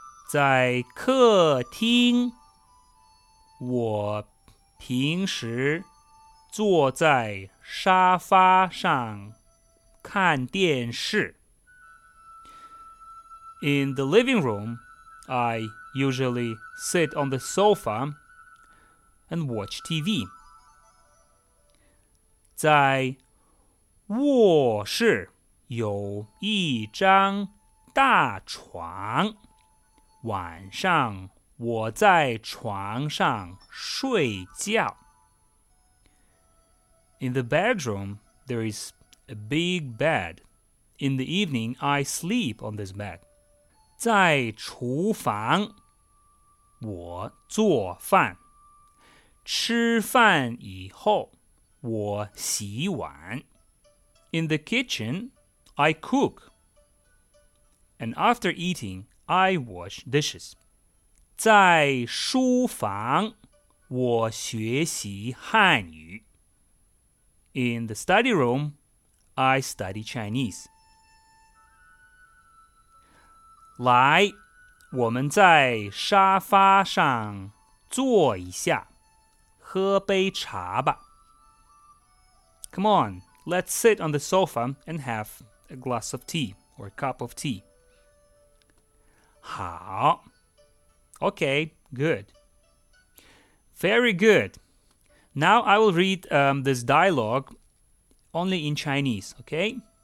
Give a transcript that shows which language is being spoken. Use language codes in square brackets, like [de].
[zh] 在客厅，我平时坐在沙发上看电视。 [en] In the living room, I usually sit on the sofa and watch TV. [zh] 在卧室有一张大床，晚上我在床上睡觉。 [en] In the bedroom, there is a big bed. In the evening, I sleep on this bed. [zh] 在厨房，我做饭。吃饭以后，我洗碗。 [en] In the kitchen, I cook. And after eating, I wash dishes. [zh] 在书房，我学习汉语。 [en] In the study room, I study Chinese. [zh] 来，我们在沙发上坐一下，喝杯茶吧。 [en] Come on, let's sit on the sofa and have a glass of tea or a cup of tea. [zh] 好。 [en] Okay, good. Very good. Now I will read this dialogue only in Chinese, okay?